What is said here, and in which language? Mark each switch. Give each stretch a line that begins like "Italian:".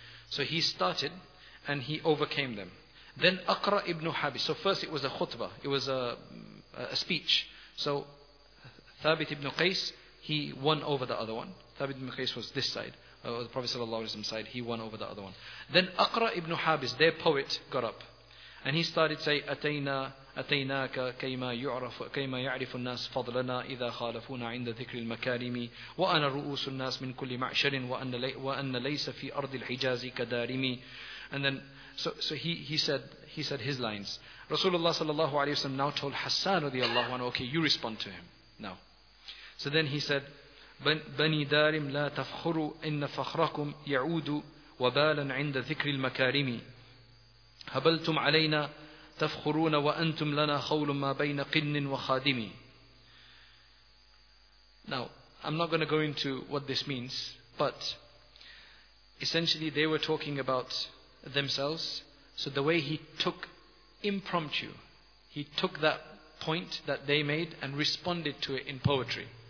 English: So he started and he overcame them. Then Aqra ibn Habis. So first it was a khutbah. It was a speech. So Thabit ibn Qais, he won over the other one. Thabit ibn Qais was this side. The Prophet sallallahu alaihi wasallam side. He won over the other one. Then Aqra ibn Habis, their poet, got up. And he started saying,
Arabic: "Atayna, أتيناك كيما يعرف كيما يعرف الناس فضلنا إذا خالفونا عند ذكر المكارم وأنا رؤوس الناس من كل معشر وأن ليس في أرض الحجاز كدارم."
English: And then so he said his lines. Rasulullah sallallahu alayhi wa sallam now told Hassan radiallahu anhu, "Okay, you respond to him now." So then he said,
Arabic: "بني دارم لا تفخروا إن فخركم يعود وبالا عند ذكر المكارم هبلتم علينا تفخرون وأنتم لنا خول ما بين قن وخادم."
English: Now, I'm not going to go into what this means, but essentially they were talking about themselves. So the way he took impromptu, he took that point that they made and responded to it in poetry.